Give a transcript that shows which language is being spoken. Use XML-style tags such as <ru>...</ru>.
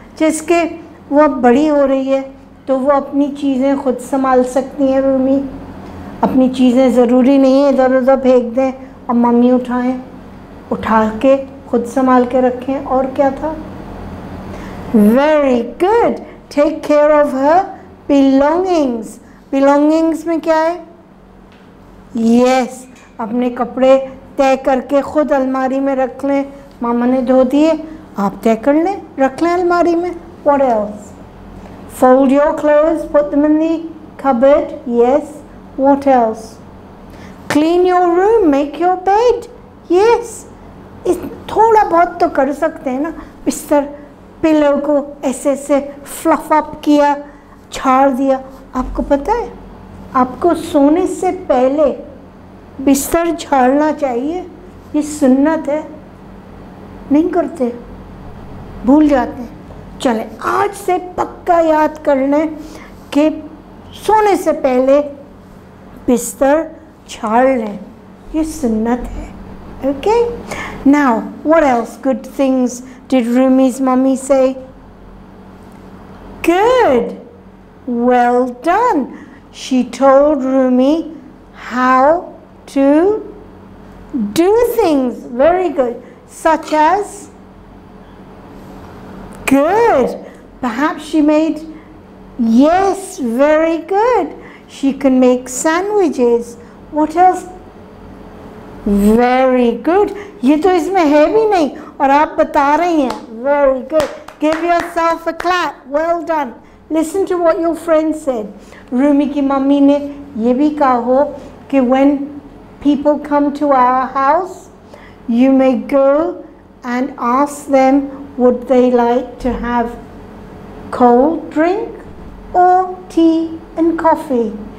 <hi>जिसके वो बड़ी हो रही है तो वो अपनी चीज़ें खुद संभाल सकती हैं Rumi. अपनी चीज़ें ज़रूरी नहीं है इधर उधर फेंक दें और मम्मी उठाएं उठा के खुद संभाल के रखें और क्या था.</hi> <en>Very good. Take care of her belongings.</en> <hi>Belongings में क्या है? Yes, अपने कपड़े तय करके खुद अलमारी में रख लें. मामा ने धो दिए, आप तय कर लें, रख लें अलमारी में.</hi> <en>What else? Fold your clothes, put them in the cupboard. Yes. What else? Clean your room, make your bed. Yes.</en> <hi>इस थोड़ा बहुत तो कर सकते हैं ना. बिस्तर पिलो को ऐसे ऐसे फ्लफ अप किया, छाड़ दिया. आपको पता है आपको सोने से पहले बिस्तर झाड़ना चाहिए, ये सुन्नत है. नहीं करते, भूल जाते हैं. चले आज से पक्का याद कर लें कि सोने से पहले बिस्तर झाड़ लें, ये सुन्नत है.</hi> <en>Okay, now what else good things did Rumi's mummy से. Good, well done. She told Rumi how to do things. Very good. Such as? Good. Perhaps she made, yes, very good. She can make sandwiches. What else? Very good.</en> <hi>ये तो इसमें है भी नहीं और आप बता रही हैं.</hi> <en>Very good. Give yourself a clap. Well done. Listen to what your friend said.</en> <hi>Rumi ki mummy ne ye bhi kaha ho ki</hi> <en>when people come to our house, you may go and ask them would they like to have cold drink or tea and coffee.</en>